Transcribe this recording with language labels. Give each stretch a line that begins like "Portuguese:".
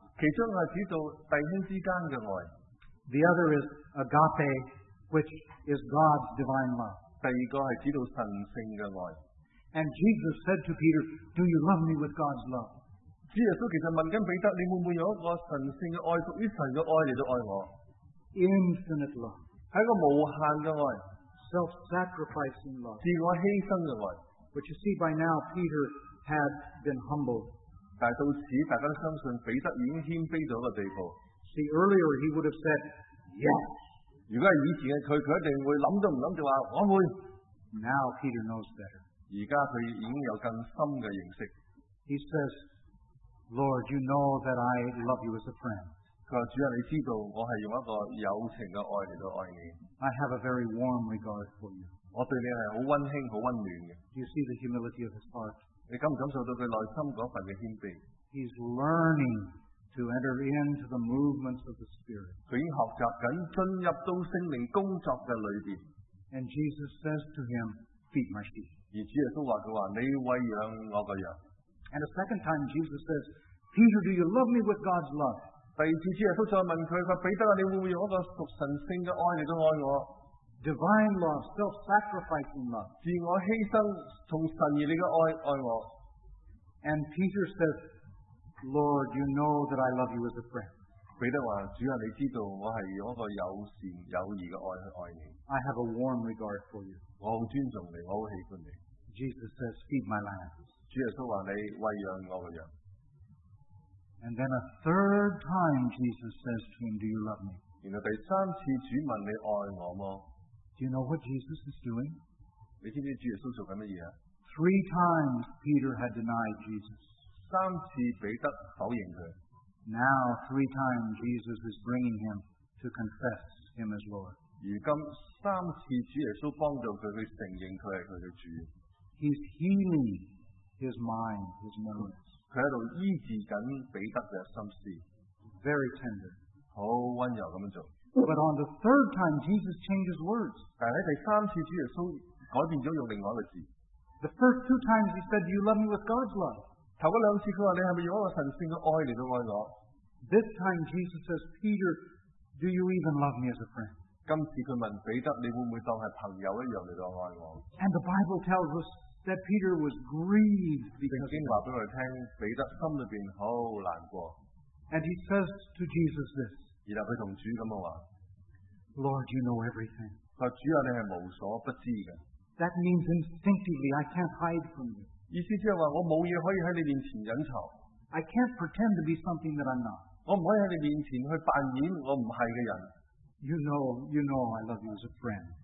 Cantonese: 其中系指到弟兄之间嘅爱。
English: The other is agape, which is God's divine love.
Cantonese: 第二个系指到神圣嘅爱。
English: And Jesus said to Peter, "Do you love me with God's love?"
Cantonese: 主耶稣其实问紧彼得，你会唔会有一个神圣嘅爱，属于神嘅爱嚟到爱我
English: ？Infinite love，
Cantonese: 系一个无限嘅爱
English: ，self-sacrificing love，
Cantonese: 自我牺牲嘅爱。
English: But you see, by now Peter had been humbled。
Cantonese: 但系到此，大家都相信彼得已经谦卑到一个地步。
English: See, earlier he would have said yes。
Cantonese: 如果系以前嘅佢，佢一定会谂都唔谂就话我会。
English: Now Peter knows better。
Cantonese: 而家佢已经有更深嘅认识。
English: He says, "Lord, you know that I love you as a friend."
Cantonese: 佢话主啊，你知道我系用一个友情嘅爱嚟到爱你。
English: I have a very warm regard for you.
Cantonese: 我对你系好温馨、好温暖嘅。
English: Do you see the humility of his heart?
Cantonese: 你感唔感受到佢内心嗰份嘅谦卑
English: ？He's learning to enter into the movements of the Spirit.
Cantonese: 佢已经学习紧进入到圣灵工作嘅里边。
English: And Jesus says to him, "Feed my sheep."
Cantonese: 而主耶稣话佢话你喂养我个羊。
English: And a second time Jesus says, "Peter, do you love me with God's love?"
Cantonese: 第二次主耶稣再问佢，佢彼得啊，你会唔会用一个属神圣嘅爱嚟到爱我
English: ？Divine love, self-sacrificing love，
Cantonese: 自我牺牲从神而嚟嘅爱爱我。
English: And Peter says, "Lord, you know that I love you as a friend."
Cantonese: 彼得话主啊，你知道我系用一个友善友谊嘅爱去爱你。
English: I have a warm regard for you.
Cantonese: 我好尊重你，我好喜欢你。
English: Jesus says, "Feed my lambs."
Cantonese: 主耶稣话你喂养我嘅羊。
English: And then a third time, Jesus says to him, "Do you love me?"
Cantonese: 然后第三次主问你爱我吗
English: ？Do you know what Jesus is doing?
Cantonese: 你知唔知主耶稣做紧乜嘢
English: ？Three times Peter had denied Jesus.
Cantonese: 三次彼得否认佢。
English: Now three times Jesus is bringing him to confess him as Lord.
Cantonese: 如今三次主耶稣帮助佢去承认佢系佢嘅主。
English: He's healing his mind, his memories.
Cantonese: 佢喺度医治紧彼得嘅心思。
English: Very tender.
Cantonese: 好温柔咁样做。
English: But on the third time, Jesus changes words.
Cantonese: 但系第三次主耶稣改变咗用另外一个字。
English: The first two times he said, "Do you love me with God's love?"
Cantonese: 头嗰两次佢话你系咪用一个神圣嘅爱嚟到爱我
English: ？This time Jesus says, "Peter, do you even love me as a friend?"
Cantonese: 今次佢问彼得，你会唔会当系朋友一样嚟到爱我
English: ？And the Bible tells us that Peter was grieved.
Cantonese: 圣经话俾我哋听，彼得心里边好难过。
English: And he says to Jesus this.
Cantonese: 然后佢同主咁样话
English: ：Lord, you know everything.
Cantonese: 佢话主啊，你系无所不知嘅。
English: That means instinctively I can't hide from you.
Cantonese: 意思即系话我冇嘢可以喺你面前隐藏。
English: I can't pretend to be something that I'm not.
Cantonese: 我唔可以喺你面前去扮演我唔系嘅人。
English: You know, I love you as a friend.